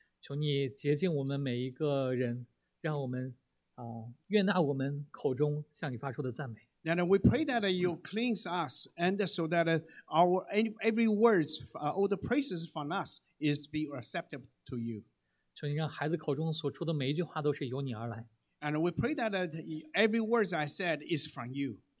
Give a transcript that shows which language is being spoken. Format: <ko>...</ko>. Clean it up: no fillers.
<zh>求你洁净我们每一个人，让我们悦纳我们口中向你发出的赞美。</zh> <en>Then we pray that you cleanse us, and so that every words, all the praises from us is be accepted to you.</en> <zh>求你让孩子口中所出的每一句话都是由你而来。</zh> <en>And we pray that every word I said is from you.</en>